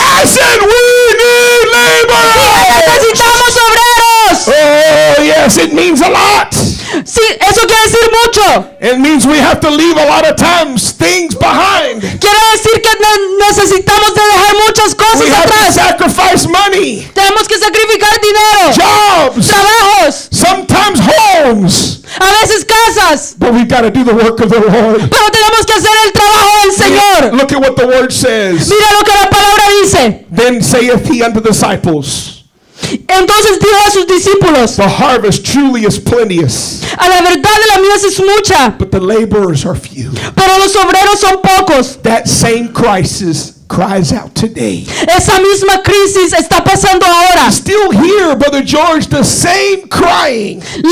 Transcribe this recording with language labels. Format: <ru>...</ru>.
<en>I said we need laborers.</en> <es>Sí, necesitamos obreros.</es> <en>Oh yes, it means a lot.</en> <es>Sí, eso quiere decir mucho.</es> <en>It means we have to leave a lot of times things behind.</en> <es>Quiere decir que necesitamos de dejar muchas cosas</es> <en>we</en> <es>atrás.</es> <en>We have to sacrifice money.</en> <es>Tenemos que sacrificar dinero.</es> <en>Jobs.</en> <es>Trabajos.</es> <en>Sometimes homes.</en> <es>A veces casas.</es> <en>But we got to do the work of the Lord.</en> <es>Pero tenemos que hacer el trabajo del Señor.</es> <en>Look at what the word says.</en> <es>Mira lo que la palabra dice.</es> <en>Then saith he unto the disciples.</en> <es>Entonces dijo a sus discípulos.</es> <en>The harvest truly is plenteous.</en> <es>A la verdad de la mies es mucha.</es> <en>But the laborers are few.</en> <es>Pero los obreros son pocos.</es> <en>That same crisis cries out today.</en> <es>Esa misma crisis está pasando ahora.</es> <en>You still hear, Brother George, the same crying.</en>